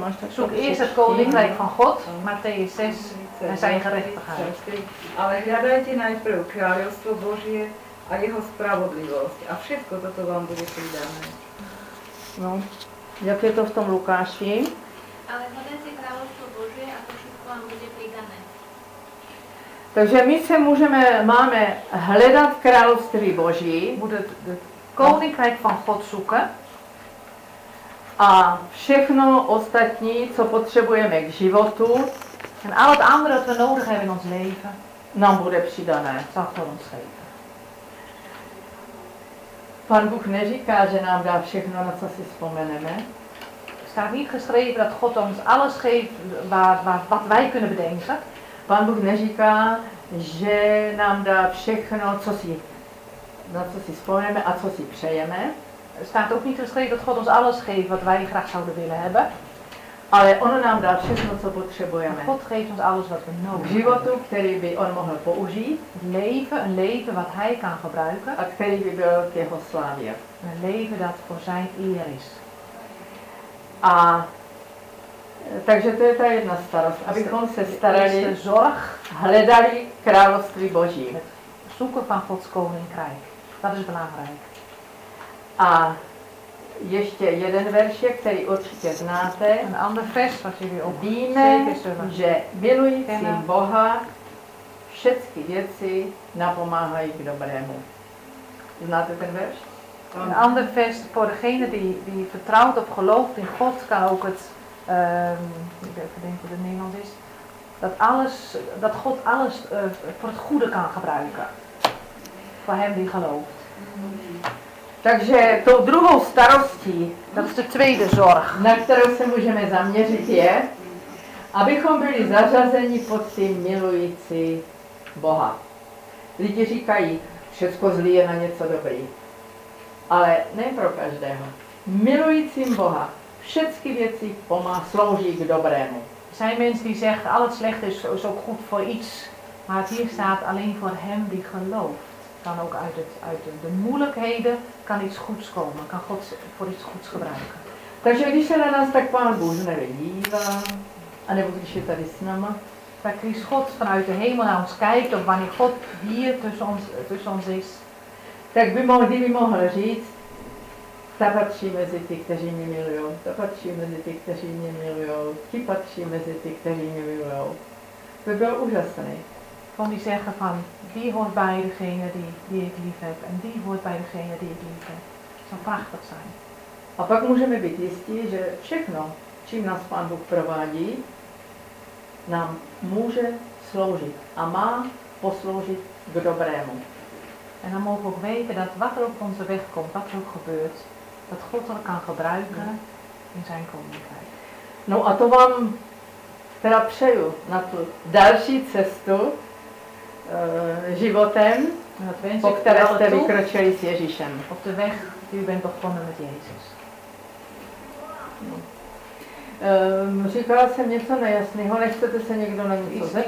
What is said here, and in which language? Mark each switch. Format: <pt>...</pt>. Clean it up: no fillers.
<nl>Zoek eerst het koninkrijk van God, Matteüs 6, en zijn gerechtigheid.</nl> <sk>Ale hľadajte najprv kráľovstvo Božie a jeho spravodlivosť a všetko toto vám bude pridané.</sk> <cs>No, jak je to v tom Lukáši?</cs> <sk>Ale hľadajte kráľovstvo Božie a to všetko vám bude pridané.</sk> <cs>Takže my se můžeme, máme hledat království Boží, bude</cs> <nl>koninkrijk van God zoeken.</nl> <cs>A všechno ostatní, co potřebujeme k životu,</cs> <nl>en al het andere wat we nodig hebben in ons leven,</nl> <cs>nám bude přidané,</cs> <nl>zal voor ons geven.</nl> <cs>Pán Bůh neříká, že nám dá všechno, na co si vzpomeneme.</cs> <nl>Staat niet geschreven dat God ons alles geeft wat wij kunnen bedenken.</nl> <cs>Pán Bůh neříká, že nám dá všechno, na co si vzpomeneme a co si přejeme.</cs> <nl>Staat ook niet geschreven dat God ons alles geeft wat wij graag zouden willen hebben.</nl> <cs>Ale on nám dá všechno, co potřebujeme.</cs> <nl>God geeft ons alles wat we nodig hebben.</nl> <cs>K životu, který by on mohl použít.</cs> <nl>Leven, een leven wat hij kan gebruiken.</nl> <cs>A který by byl k jeho slávě.</cs> <nl>Een leven dat voor zijn eer is.</nl> <cs>A takže to je ta jedna starost. Abychom se starali,</cs> <nl>zorg,</nl> <cs>hledali království Boží.</cs> <nl>Zoeken van Gods koninkrijk. Dat is belangrijk.</nl> <cs>A ještě jeden verš, který určitě znáte.</cs> <nl>Een ander vers, wat jullie ook</nl> <cs>víme, že milující Boha všechny věci napomáhají k dobrému. Znáte ten verš?</cs> <nl>Een ander vers, voor degene die vertrouwt op gelooft in God, kan ook het, ik weet even denk wat het Nederland is, dat God alles voor het goede kan gebruiken. Voor hem die gelooft.</nl> <cs>Takže tou druhou starostí, na kterou se můžeme zaměřit, je, abychom byli zařazeni pod tím milující Boha. Lidi říkají, všecko zlý je na něco dobrý, ale ne pro každého. Milujícím Boha všechny věci slouží k dobrému.</cs> <nl>Zijn mensen die zeggen, alles slecht is ook goed voor iets, maar het hier staat alleen voor hem die gelooft. Kan ook uit de moeilijkheden kan iets goeds komen, kan God voor iets goeds gebruiken.</nl> <cs>Takže když se na nás tak Pán Bůh nevedívá, anebo když je tady s náma. Tak</cs> <nl>když God vanuit de hemel naar ons kijkt, of wanneer God hier tussen ons is.</nl> <cs>Tak by mohl říct, ta patří mezi ty, kteří mě milujou, ta patří mezi ty, kteří mě milujou, ti patří mezi ty, kteří mě milujou. To byl úžasný.</cs> <nl>Van die zeggen van, die hoort bij degene die ik lief heb en die hoort bij degene die ik lief heb. Dat zou prachtig zijn.</nl> <cs>A pak můžeme být jistí, že všechno, čím nás Pán Bůh provádí, nám může sloužit a má posloužit k dobrému.</cs> <nl>En dan mogen we ook weten dat wat er op onze weg komt, wat er ook gebeurt, dat God dat kan gebruiken in zijn koninkrijk.</nl> <cs>No a to vám teda přeju na tu další cestu, životem, po které jste vykročili s Ježíšem.</cs> <nl>Op de weg die u bent begonnen met Jezus.</nl> <cs>Říkala jsem něco nejasného, nechcete se někdo na něco zeptat?</cs>